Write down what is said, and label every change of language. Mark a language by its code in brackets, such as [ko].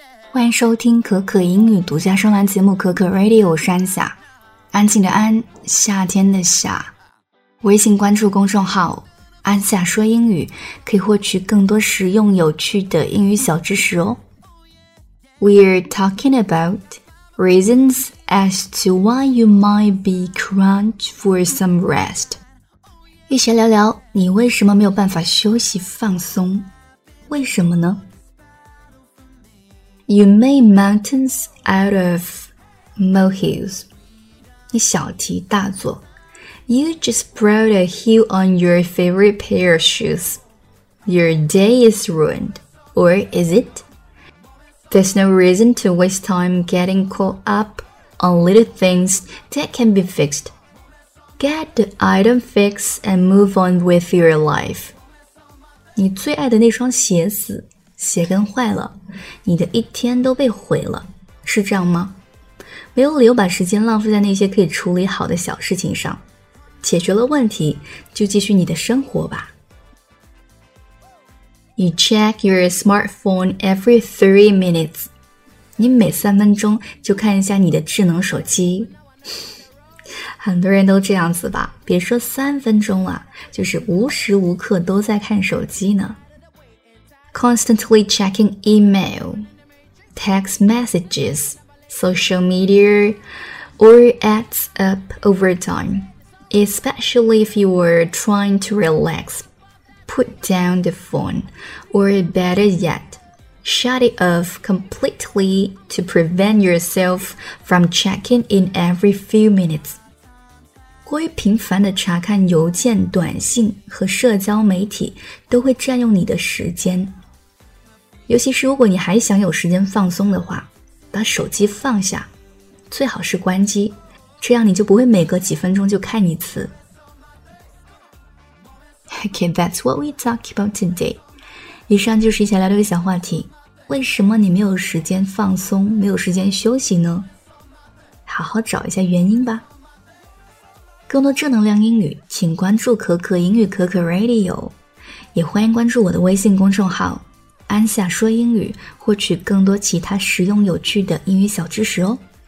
[zh] 欢迎收听可可英语独家声栏节目可可 Radio， 我是安夏，安静的安，夏天的夏。微信关注公众号安夏说英语，可以获取更多实用有趣的英语小知识哦。 [en] We're talking about reasons as to why you might be crunch for some rest， [zh] 一起聊聊你为什么没有办法休息放松，为什么呢？ [en] You make mountains out of molehills. [zh] 你小题大做。 [en] You just brought a heel on your favorite pair of shoes. Your day is ruined. Or is it? There's no reason to waste time getting caught up on little things that can be fixed. Get the item fixed and move on with your life. [zh] 你最爱的那双鞋子鞋跟坏了，你的一天都被毁了，是这样吗？没有理由把时间浪费在那些可以处理好的小事情上，解决了问题就继续你的生活吧。 [en] You check your smartphone every 3 minutes. [zh] 你每3分钟就看一下你的智能手机。很多人都这样子吧，别说3分钟了，就是无时无刻都在看手机呢。 [en] Constantly checking email, text messages, social media, or adds up over time, especially if you are trying to relax. Put down the phone, or better yet, shut it off completely to prevent yourself from checking in every few minutes. [zh] 过于频繁地查看邮件、短信和社交媒体都会占用你的时间。尤其是如果你还想有时间放松的话，把手机放下，最好是关机，这样你就不会每隔几分钟就看一次。 [en] Okay, that's what we talk about today. [zh] 以上就是一起聊这个小话题，为什么你没有时间放松，没有时间休息呢？好好找一下原因吧。更多正能量英语，请关注可可英语可可 Radio， 也欢迎关注我的微信公众号安夏说英语，获取更多其他实用有趣的英语小知识哦。